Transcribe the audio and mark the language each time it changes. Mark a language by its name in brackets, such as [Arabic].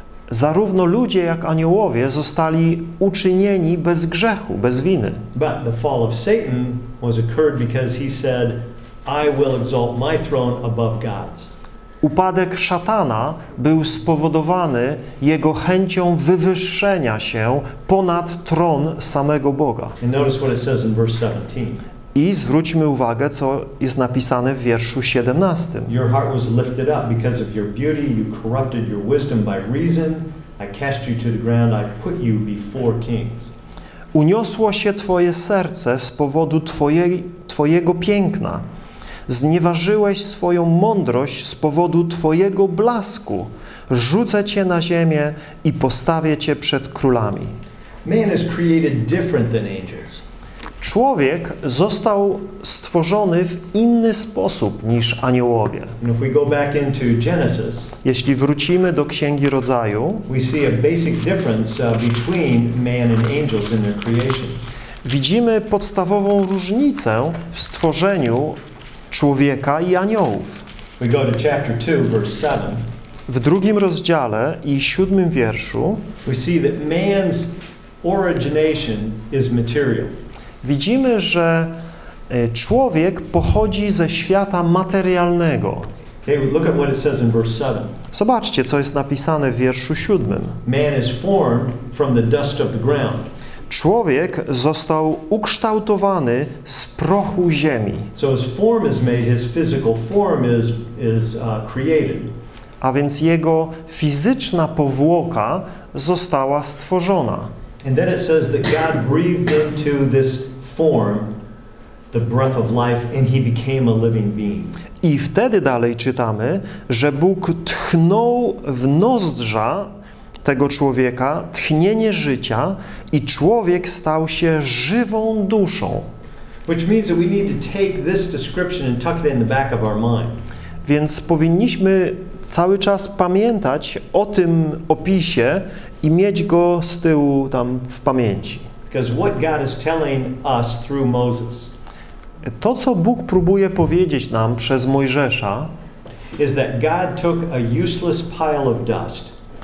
[Polish] Zarówno ludzie, jak aniołowie zostali uczynieni bez grzechu, bez winy. [English] But the fall of Satan was occurred because he said, I will exalt my throne above God's. [Polish] Upadek szatana był spowodowany jego chęcią wywyższenia się ponad tron samego Boga. [English] And notice what it says in verse 17. [Polish] I zwróćmy uwagę, co jest napisane w wierszu 17. [English] Your heart was lifted up because of your beauty. You corrupted your wisdom by reason. I cast you to the ground. I put you before kings. [Polish] Uniosło się twoje serce z powodu twojego piękna. Znieważyłeś swoją mądrość z powodu twojego blasku. Rzucę cię na ziemię i postawię cię przed królami. [English] Man is created different than angels. [Polish] Człowiek został stworzony w inny sposób niż aniołowie. [English] If we go back into Genesis, [Polish] jeśli wrócimy do Księgi Rodzaju, [English] we see a basic difference between man and angels in their creation. [Polish] Widzimy podstawową różnicę w stworzeniu człowieka i aniołów. [English] We go to chapter 2, verse 7. [Polish] W drugim rozdziale i siódmym wierszu [English] we see that man's origination is material. [Polish] Widzimy, że człowiek pochodzi ze świata materialnego. [English] Okay, look at what it says in verse 7. [Polish] Zobaczcie, co jest napisane w wierszu 7. [English] Man is formed from the dust of the ground. [Polish] Człowiek został ukształtowany z prochu ziemi. [English] So his form is made, his physical form is created. [Polish] A więc jego fizyczna powłoka została stworzona. [English] And then it says that God breathed into this form the breath of life and he became a living being. [Polish] I wtedy dalej czytamy, że Bóg tchnął w nozdrza tego człowieka tchnienie życia i człowiek stał się żywą duszą. [English] Which means that we need to take this description and tuck it in the back of our mind. [Polish] Więc powinniśmy cały czas pamiętać o tym opisie i mieć go z tyłu tam w pamięci. [English] Because what God is telling us through Moses. [Polish] To, co Bóg próbuje powiedzieć nam przez Mojżesza, [English] is that God took a useless pile of dust.